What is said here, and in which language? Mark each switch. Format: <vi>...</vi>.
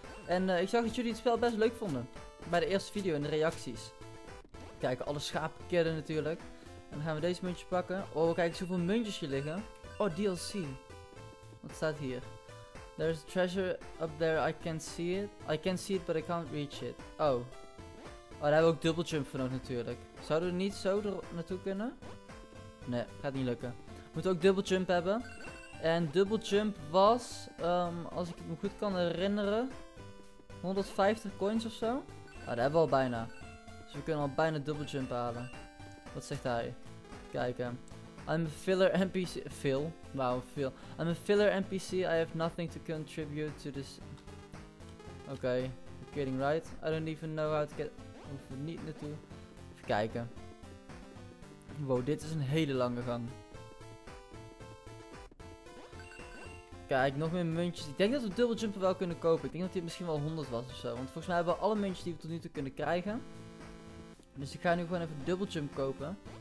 <nl>En ik zag dat jullie het spel best leuk vonden. Bij de eerste video in de reacties. Kijk, alle schapen kidden natuurlijk. En dan gaan we deze muntje pakken. Oh, kijk eens hoeveel muntjes hier liggen. Oh, DLC. Wat staat hier?</nl> <en>There's a treasure up there, I can see it. I can see it, but I can't reach it. Oh.</en> <nl>Oh, daar hebben we ook double jump voor nodig natuurlijk. Zouden we niet zo er naartoe kunnen? Nee, gaat niet lukken. We moeten ook double jump hebben. En double jump was, als ik het me goed kan herinneren, 150 coins of zo. Ah, dat hebben we al bijna. Dus we kunnen al bijna double jump halen. Wat zegt hij? Kijken.</nl> <en>I'm a filler NPC. Phil? Wow, Phil. I'm a filler NPC. I have nothing to contribute to this. Okay. You're kidding, right? I don't even know how to get.</en> <nl>We hoeven niet naartoe. Even kijken. Wow, dit is een hele lange gang. Kijk, nog meer muntjes. Ik denk dat we double jumper wel kunnen kopen. Ik denk dat dit misschien wel 100 was of zo. Want volgens mij hebben we alle muntjes die we tot nu toe kunnen krijgen. Dus ik ga nu gewoon even double jump kopen.</nl>